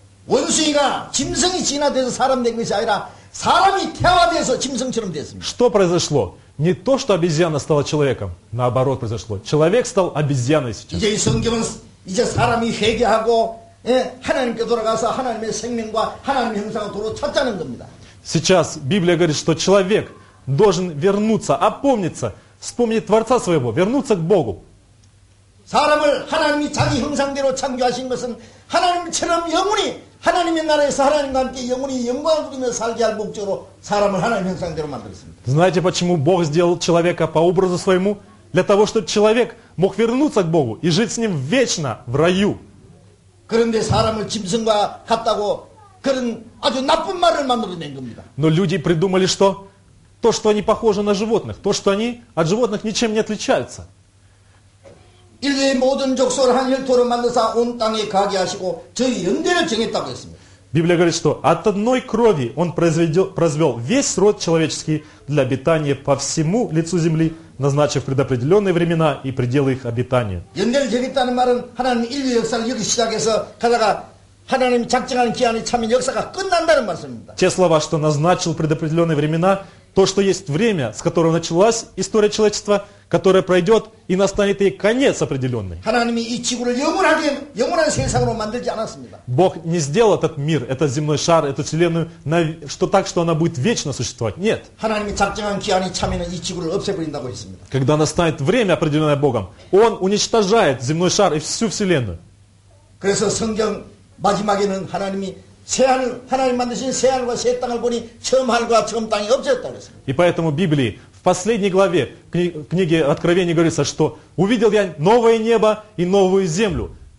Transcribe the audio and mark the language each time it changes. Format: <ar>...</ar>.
<ko>원숭이가 짐승이 진화돼서 사람 된 것이 아니라 사람이 태화돼서 짐승처럼 됐습니다.</ko> <ru>Что произошло? Не то, что обезьяна стала человеком, наоборот произошло. Человек стал обезьяной сейчас.</ru> <ko>이제 성경은 이제 사람이 회개하고 하나님께 돌아가서 하나님의 생명과 하나님의 형상을 도로 찾자는 겁니다.</ko> <ru>Сейчас Библия говорит, что человек должен вернуться, опомниться, вспомнить Творца своего, вернуться к Богу.</ru> <ko>사람을 하나님이 자기 형상대로 창조하신 것은 하나님처럼 영원히 하나님의 나라에서 하나님과 함께 영원히 영광을 누리며 살게 할 목적으로 사람을 하나님 형상대로 만들었습니다.</ko> <ru>Знаете, почему Бог сделал человека по образу своему? Для того, чтобы человек мог вернуться к Богу и жить с ним вечно в раю.</ru> <ko>그런데 사람을 짐승과 같다고 그런 아주 나쁜 말을 만들어낸 겁니다.</ko> <ru>Но люди придумали что? То, что они похожи на животных. То, что они от животных ничем не отличаются.</ru> <ko>인류의 모든 족속을 한 혈통으로 만드사 온 땅에 가게 하시고 저희 연대를 정했다고 했습니다.</ko> <ru>Библия говорит, что от одной крови он произвел весь род человеческий для обитания по всему лицу земли, назначив предопределенные времена и пределы их обитания.</ru> <ko>연대를 정했다는 말은 하나님 인류 역사를 여기 시작해서 가다가 하나님 작정하는 기한에 차면 역사가 끝난다는 말씀입니다.</ko> <ru>Те слова, что назначил предопределенные времена, то, что есть время, с которого началась история человечества, которая пройдет и настанет ей конец определенный.</ru> <ko>하나님이 이 지구를 영원한 세상으로 만들지 않았습니다.</ko> <ru>Бог не сделал этот мир, этот земной шар, эту вселенную, что так, что она будет вечно существовать. Нет.</ru> <ko>하나님이 작정한 기한이 차면 이 지구를 없애버린다고 했습니다.</ko> <ru>Когда настанет время, определенное Богом, Он уничтожает земной шар и всю вселенную.</ru> <ko>그래서 성경 마지막에는 하나님이 새하늘, 하나님 만드신 새하늘과 새 땅을 보니 처음 하늘과 처음 땅이 없어졌다고 했습니다.</ko> <ru>И поэтому Библии В последней главе книги Откровения говорится, что увидел я новое небо и новую землю.</ru>